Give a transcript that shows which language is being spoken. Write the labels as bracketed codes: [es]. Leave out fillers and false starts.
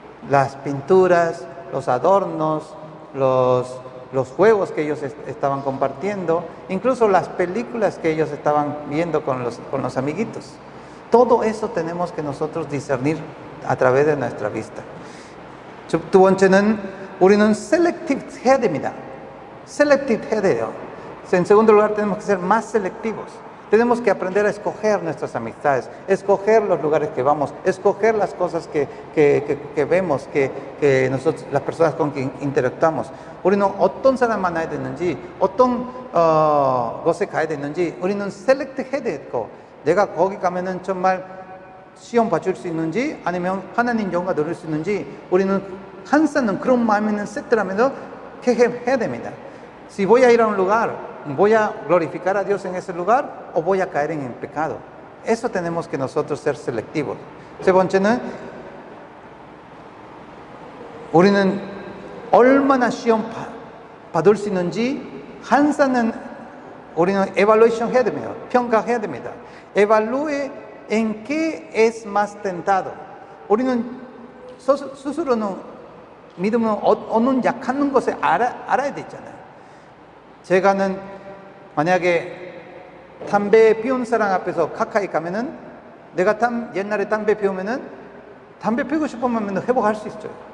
[es] Las pinturas, los adornos, los juegos que ellos estaban compartiendo, incluso las películas que ellos estaban viendo con los amiguitos. Todo eso tenemos que nosotros discernir a través de nuestra vista. [ko] 두 번째는 우리는 selective 해야 됩니다. Selective 해야 돼요. [es] En segundo lugar, tenemos que ser más selectivos. Tenemos que aprender a escoger nuestras amistades, escoger los lugares que vamos, escoger las cosas que vemos, que nosotros, las personas con quien interactuamos. [ko] 우리는 어떤 사람 만나야 되는지, 어떤 곳에 가야 되는지, 우리는 select 해야 되고, 내가 거기 가면은 정말 시험 봐줄 수 있는지, 아니면 하나님 영광 누릴 수 있는지, 우리는 항상 그런 마음에 있는 세트라면서 해야 됩니다. [es] Si voy a ir a un lugar, ¿voy a glorificar a Dios en ese lugar o voy a caer en el pecado? Eso tenemos que nosotros ser selectivos. [ko] 세 번째는 우리는 얼마나 시험 받을 수 있는지 항상은 우리는 evaluation 해야 됩니다. 평가해야 됩니다. [es] Evalúe en qué es más tentado. [ko] 우리는 스스로는 믿음을 얻는 약하는 것을 알아야 되잖아요. 제가는 만약에 담배 피운 사람 앞에서 가까이 가면은 내가 옛날에 담배 피우면은 담배 피우고 싶으면 회복할 수 있어요.